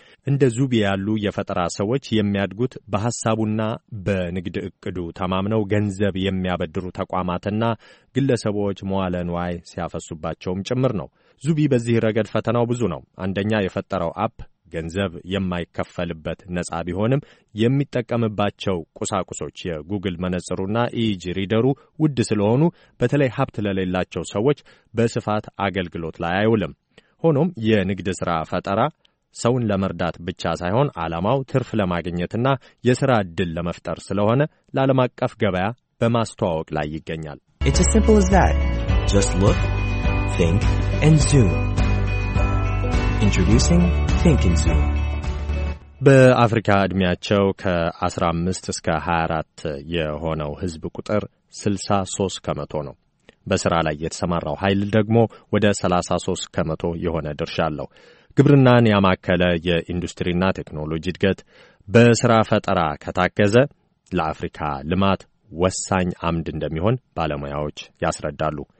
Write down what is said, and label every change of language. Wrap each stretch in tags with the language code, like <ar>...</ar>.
<am>እንደ ዙቢ ያሉ የፈጠራ ሰዎች የሚያድጉት በሐሳቡና በንግድ እቅዱ ተማምነው ገንዘብ የሚያበድሩ ተቋማትና ግለሰቦች መዋለ ንዋይ ሲያፈሱባቸውም ጭምር ነው። ዙቢ በዚህ ረገድ ፈተናው ብዙ ነው። አንደኛ የፈጠረው አፕ ገንዘብ የማይከፈልበት ነጻ ቢሆንም የሚጠቀምባቸው ቁሳቁሶች የጉግል መነጽሩና ኢጂ ሪደሩ ውድ ስለሆኑ በተለይ ሀብት ለሌላቸው ሰዎች በስፋት አገልግሎት ላይ አይውልም። ሆኖም የንግድ ሥራ ፈጠራ ሰውን ለመርዳት ብቻ ሳይሆን ዓላማው ትርፍ ለማግኘትና የሥራ ዕድል ለመፍጠር ስለሆነ ለዓለም አቀፍ ገበያ በማስተዋወቅ ላይ ይገኛል።</am> <en>It's as simple as that. Just look, think, and zoom. Introducing Think and Zoom.</en> <am>በአፍሪካ ዕድሜያቸው ከ15 እስከ 24 የሆነው ሕዝብ ቁጥር 63 ከመቶ ነው። በሥራ ላይ የተሰማራው ኃይል ደግሞ ወደ 33 ከመቶ የሆነ ድርሻ አለው። ግብርናን ያማከለ የኢንዱስትሪና ቴክኖሎጂ እድገት በሥራ ፈጠራ ከታገዘ ለአፍሪካ ልማት ወሳኝ አምድ እንደሚሆን ባለሙያዎች ያስረዳሉ።</am>